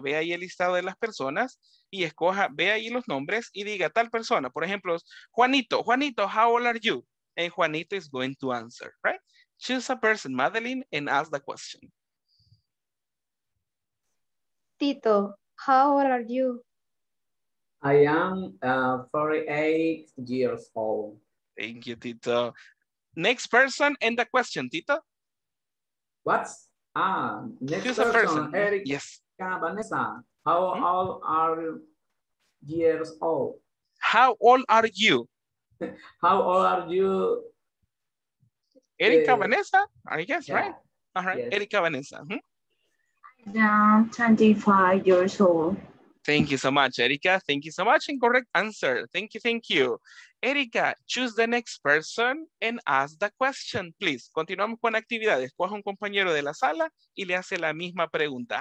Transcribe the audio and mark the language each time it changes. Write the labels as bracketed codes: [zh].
[es] Ve ahí el listado de las personas y escoja, ve ahí los nombres y diga tal persona. Por ejemplo, [en] Juanito, Juanito, how old are you? And Juanito is going to answer, right? Choose a person, Madeline, and ask the question. Tito, how old are you? I am 48 years old. Thank you, Tito. Next person and the question, Tito. What? Ah, next choose person, a person. Eric. Yes. Vanessa, how old are you years old? How old are you? How old are you? Erika Vanessa, I guess, yeah. Right? All right, yes. Erika Vanessa. Hmm? I am 25 years old. Thank you so much, Erika. Thank you so much. Incorrect answer. Thank you, thank you. Erika, choose the next person and ask the question, please. [es] Continuamos con actividades. Coja un compañero de la sala y le hace la misma pregunta.